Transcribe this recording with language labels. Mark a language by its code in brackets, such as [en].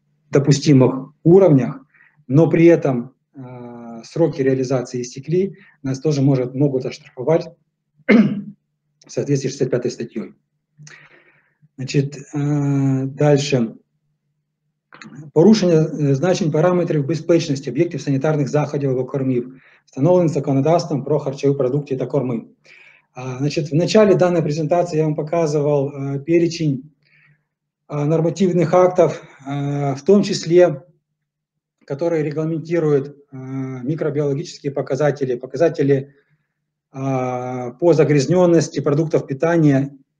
[ru] допустимых уровнях, но при этом сроки реализации истекли, нас тоже могут оштрафовать в соответствии с 65-й статьей. Значит, дальше. [uk] Порушення значень параметрів безпечності об'єктів санітарних заходів або кормів, встановлених законодавством про харчові продукти та корми. [ru] Значит, в начале данной презентации я вам показывал перечень нормативных актов, в том числе которые регламентируют микробиологические показатели, показатели по загрязненности продуктов питания.